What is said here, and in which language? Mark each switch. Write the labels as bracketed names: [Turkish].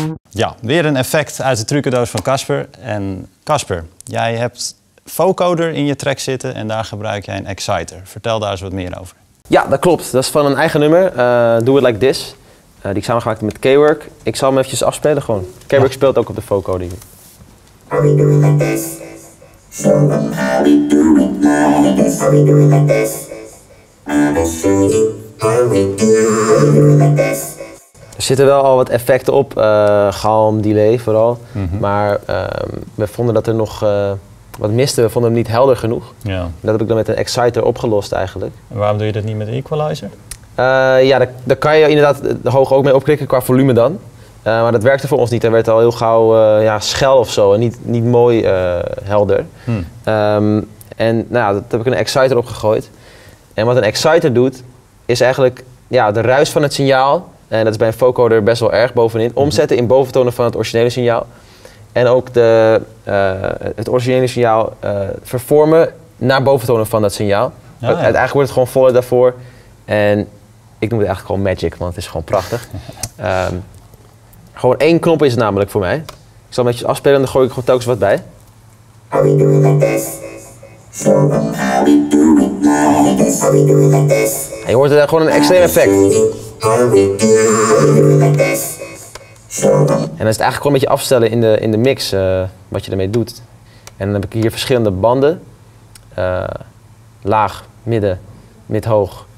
[Dutch] Ja, weer een effect uit de trucendoos van Casper. En Casper, jij hebt vocoder in je track zitten en daar gebruik jij een exciter. Vertel daar eens wat meer over. Ja, dat klopt. Dat is van een eigen nummer, Do It Like This. Die ik samengemaakt met K-Work. Ik zal hem eventjes afspelen gewoon. K-Work speelt ook op de vocoder hier. [English] Are we doing like this? Show them how we do it like this. Are we doing like this? I'm gonna show you how we do it. Are we doing like this? [Dutch] Er zitten wel al wat effecten op, galm, delay vooral, maar we vonden dat er nog wat miste, we vonden hem niet helder genoeg. Ja. Dat heb ik dan met een exciter opgelost eigenlijk. En waarom doe je dat niet met een equalizer? Daar kan je inderdaad de hoog ook mee opklikken qua volume dan, maar dat werkte voor ons niet. Er werd al heel gauw schel of zo en niet mooi helder. Hmm. Dat heb ik een exciter opgegooid. En wat een exciter doet, is eigenlijk de ruis van het signaal. En dat is bij een vocoder best wel erg bovenin. Omzetten in boventonen van het originele signaal. En ook het originele signaal vervormen naar boventonen van dat signaal. Ja, eigenlijk wordt het gewoon voller daarvoor. En ik noem het eigenlijk gewoon magic, want het is gewoon prachtig. Gewoon één knop is het namelijk voor mij. Ik zal een beetje afspelen en dan gooi ik gewoon telkens wat bij. [English] Are we doing like this? Show them how we do it like this. Are we doing like this? [Dutch] En je hoort er gewoon een extreem effect. En dan is het eigenlijk gewoon een beetje afstellen in de mix, wat je ermee doet. En dan heb ik hier verschillende banden. Laag, midden, mid-hoog.